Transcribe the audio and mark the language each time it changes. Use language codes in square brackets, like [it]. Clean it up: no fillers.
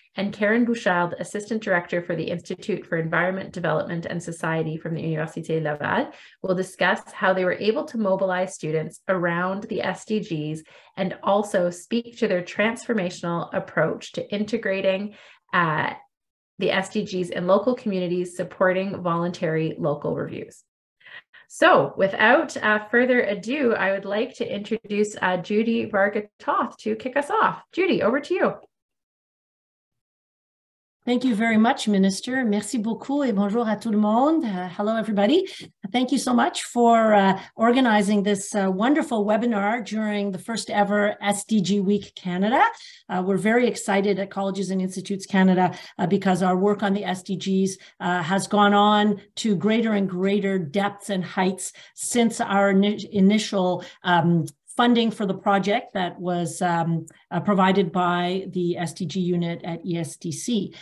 [en] and Karen Bouchard, Assistant Director for the Institute for Environment, Development and Society from the Université Laval, will discuss how they were able to mobilize students around the SDGs and also speak to their transformational approach to integrating the SDGs in local communities, supporting voluntary local reviews. So without further ado, I would like to introduce Judy Vargatoth to kick us off. Judy, over to you. Thank you very much, Minister. [fr] Merci beaucoup et bonjour à tout le monde. [en] Hello, everybody. Thank you so much for organizing this wonderful webinar during the first ever SDG Week Canada. We're very excited at Colleges and Institutes Canada because our work on the SDGs has gone on to greater and greater depths and heights since our initial funding for the project that was provided by the SDG unit at ESDC.